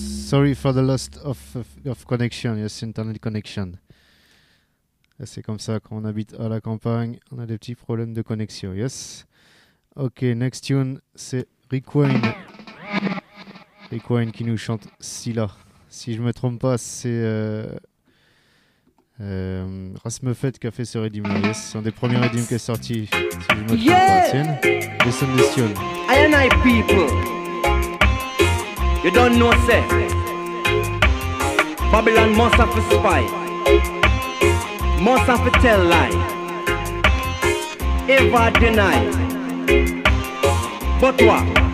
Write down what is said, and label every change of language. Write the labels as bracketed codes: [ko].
[en] For the loss of connection, yes, internet connection. [fr] Et c'est comme ça quand on habite à la campagne, on a des petits problèmes de connexion, yes. Ok, [en] next tune, [fr] c'est Rick Wayne. Rick Wayne qui nous chante Scylla. Si je me trompe pas, c'est Rasmefet qui a fait ce redim, yes. C'est un des premiers redims qui est sorti. Si je me trompe pas, tiens. [en] Listen this tune. I and I people, you don't know, say. Babylon must have a spy, must have a tell lie, ever deny. But what?